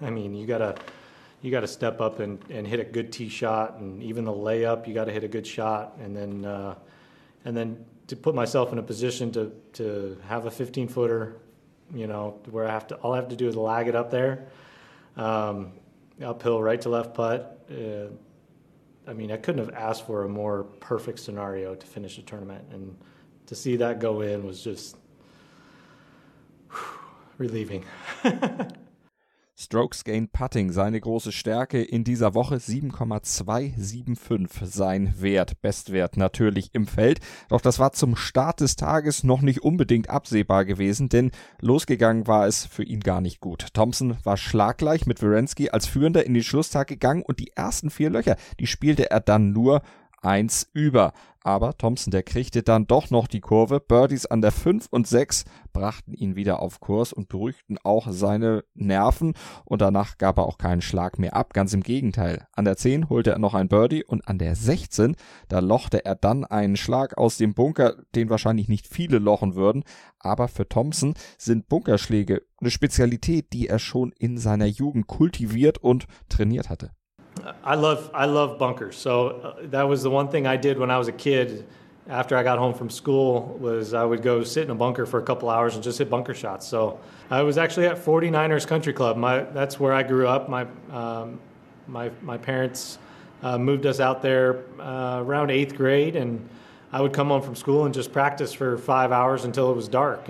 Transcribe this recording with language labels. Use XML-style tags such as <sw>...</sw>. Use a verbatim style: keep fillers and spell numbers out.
<en>I mean, you gotta you got to step up and, and hit a good tee shot, and even the layup, you got to hit a good shot, and then uh, and then to put myself in a position to to have a fifteen footer, you know, where I have to all I have to do is lag it up there, um, uphill right to left putt. Uh, I mean, I couldn't have asked for a more perfect scenario to finish the tournament, and to see that go in was just whew, relieving.</en> <de>Strokes Gain Putting, seine große Stärke in dieser Woche, sieben Komma zwei sieben fünf sein Wert, Bestwert natürlich im Feld. Doch das war zum Start des Tages noch nicht unbedingt absehbar gewesen, denn losgegangen war es für ihn gar nicht gut. Thompson war schlaggleich mit Wierenski als Führender in den Schlusstag gegangen und die ersten vier Löcher, die spielte er dann nur eins über. Aber Thompson, der kriegte dann doch noch die Kurve. Birdies an der fünf und sechs brachten ihn wieder auf Kurs und beruhigten auch seine Nerven. Und danach gab er auch keinen Schlag mehr ab. Ganz im Gegenteil. An der zehn holte er noch ein Birdie und an der sechzehn, da lochte er dann einen Schlag aus dem Bunker, den wahrscheinlich nicht viele lochen würden. Aber für Thompson sind Bunkerschläge eine Spezialität, die er schon in seiner Jugend kultiviert und trainiert hatte.</de> <en>I love I love bunkers. So uh, that was the one thing I did when I was a kid. After I got home from school, was I would go sit in a bunker for a couple hours and just hit bunker shots. So I was actually at forty-niners Country Club. My that's where I grew up. My um, my my parents uh, moved us out there uh, around eighth grade, and I would come home from school and just practice for five hours until it was dark.</en>